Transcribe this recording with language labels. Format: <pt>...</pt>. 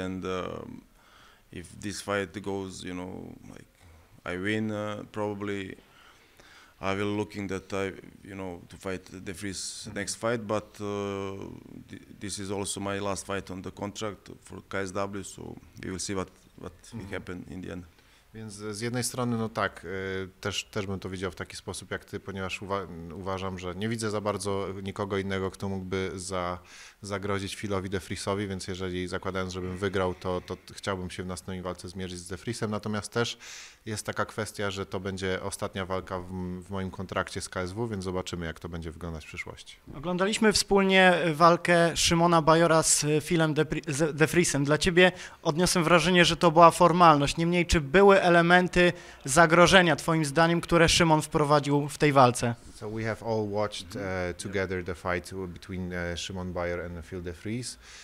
<en>And if this fight goes, you know, like I win, probably I will looking that I, you know, to fight the Freeze next fight. But this is also my last fight on the contract for KSW. So we will see what will happen in the end.</en> <pl>Więc z jednej strony, no tak, też bym to widział w taki sposób jak ty, ponieważ uważam, że nie widzę za bardzo nikogo innego, kto mógłby zagrozić Filowi de Freeze'owi, więc jeżeli zakładając, żebym wygrał, to chciałbym się w następnej walce zmierzyć z de Freeze'em. Natomiast też jest taka kwestia, że to będzie ostatnia walka w moim kontrakcie z KSW, więc zobaczymy, jak to będzie wyglądać w przyszłości. Oglądaliśmy wspólnie walkę Szymona Bajora z Filem de Freeze'em. Dla ciebie odniosłem wrażenie, że to była formalność. Niemniej, czy były elementy zagrożenia, twoim zdaniem, które Szymon wprowadził w tej walce?</pl> <en>So we have all watched together the fight between Szymon Bajor and Phil de Freeze.</en>